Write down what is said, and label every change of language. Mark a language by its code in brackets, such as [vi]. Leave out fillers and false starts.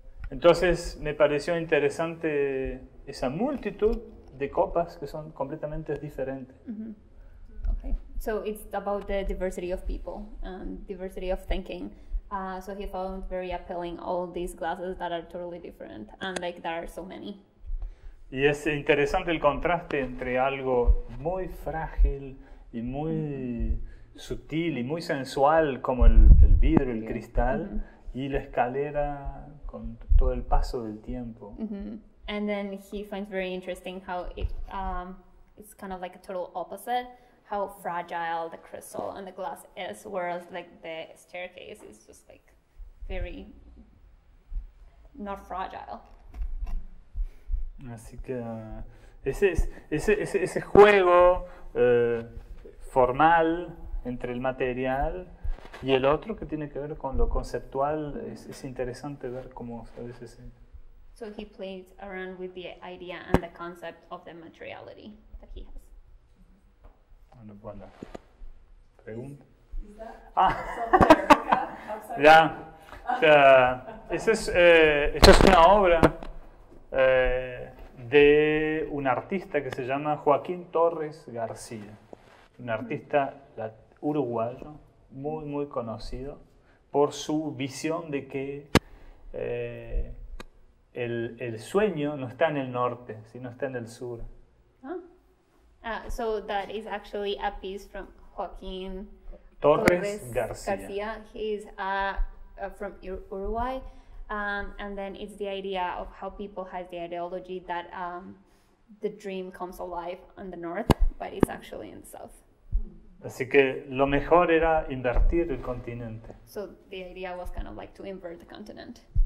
[es] Entonces me pareció interesante esa multitud de copas que son completamente diferentes. [en] Okay, so it's about the diversity of people and diversity of thinking. So he found very appealing all these glasses that are totally different and like there are so many. [es] Y es interesante el contraste entre algo muy frágil y muy sutil y muy sensual como el vidrio, el cristal y la escalera con todo el paso del tiempo. [en] And then he finds very interesting how it it's kind of like a total opposite, how fragile the crystal and the glass is, whereas like the staircase is just like very not fragile. [es] Así que ese juego formal entre el material y el otro que tiene que ver con lo conceptual es interesante ver cómo a veces se... [en] So he plays around with the idea and the concept of the materiality that he has. [es] Bueno, bueno. ¿Pregunta? ¿Es ya. Esa es una obra de un artista que se llama Joaquín Torres García. Un artista uruguayo, muy, muy conocido por su visión de que el sueño no está en el norte, sino está en el sur. [en] So that is actually a piece from Joaquín Torres García. He's from Uruguay. And then it's the idea of how people have the ideology that the dream comes alive in the north, but it's actually in the south. [es] Así que lo mejor era invertir el continente. [en] So the idea was kind of like to invert the continent.